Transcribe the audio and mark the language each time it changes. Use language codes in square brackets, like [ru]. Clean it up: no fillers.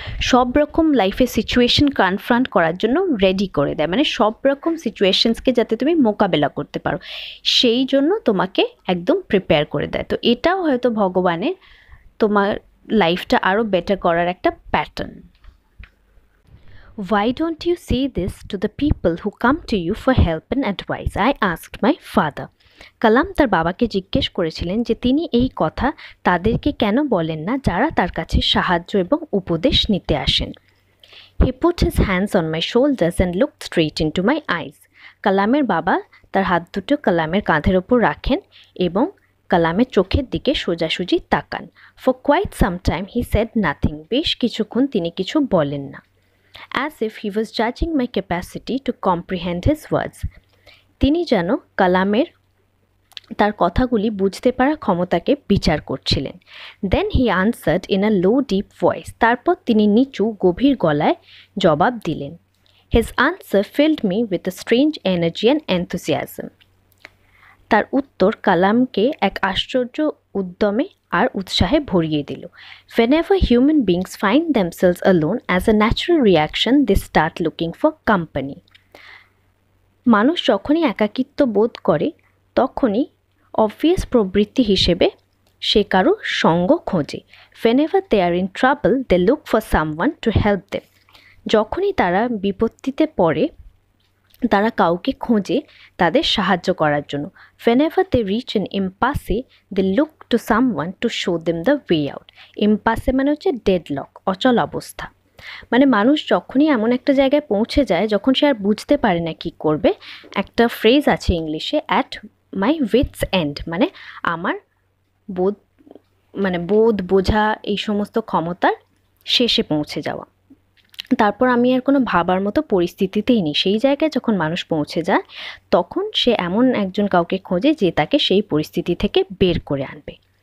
[bn] সব রকম লাইফে সিচুয়েশন কনফ্রন্ট করার জন্য রেডি করে দেয়, মানে সব রকম সিচুয়েশনসকে যাতে তুমি মোকাবেলা করতে পারো সেই জন্য তোমাকে একদম প্রিপেয়ার করে দেয়। তো এটাও হয়তো ভগবানের তোমার লাইফটা আরও বেটার করার একটা pattern. [en] Why don't you say this to the people who come to you for help and advice? I asked my father. [bn] কালাম তার বাবাকে জিজ্ঞেস করেছিলেন যে তিনি এই কথা তাদেরকে কেন বলেন না যারা তার কাছে সাহায্য এবং উপদেশ নিতে আসেন। [en] He put his hands on my shoulders and looked straight into my eyes. [bn] কালামের বাবা তার হাত দুটো কালামের কাঁধের ওপর রাখেন এবং কালামের চোখের দিকে সোজাসুজি তাকান। [en] For quite some time he said nothing. [bn] বেশ কিছুক্ষণ তিনি কিছু বলেন না। [en] As if he was judging my capacity to comprehend his words. [bn] তিনি যেন কালামের তার কথাগুলি বুঝতে পারার ক্ষমতাকে বিচার করছিলেন। [en] Then he answered in a low deep voice. [bn] তারপর তিনি নিচু গভীর গলায় জবাব দিলেন। [en] His answer filled me with a strange energy and enthusiasm. [bn] তার উত্তর কালামকে এক আশ্চর্য উদ্যমে আর উৎসাহে ভরিয়ে দিল। [en] Whenever human beings find themselves alone, as a natural reaction, they start looking for company. [bn] মানুষ যখনই একাকিত্ব বোধ করে তখনই অবভিয়াস প্রবৃত্তি হিসেবে সে কারো সঙ্গ খোঁজে। [en] Whenever they are in trouble, they look for someone to help them. [bn] যখনই তারা বিপত্তিতে পড়ে তারা কাউকে খোঁজে তাদের সাহায্য করার জন্য। [en] Whenever they reach an impasse, they look to someone to show them the way out. [bn] Impasse মানে হচ্ছে ডেডলক, অচল অবস্থা। মানে মানুষ যখনই এমন একটা জায়গায় পৌঁছে যায় যখন সে আর বুঝতে পারে না কী করবে, একটা ফ্রেজ আছে ইংলিশে, [en] at my wits end, [bn] মানে আমার বোধ মানে বোধ বোঝা এই সমস্ত ক্ষমতার শেষে পৌঁছে যাওয়া, তারপর আমি আর কোনো ভাবার মতো পরিস্থিতিতেই নেই, সেই জায়গায় যখন মানুষ পৌঁছে যায় তখন সে এমন একজন কাউকে খোঁজে যে তাকে সেই পরিস্থিতি থেকে বের করে আনবে।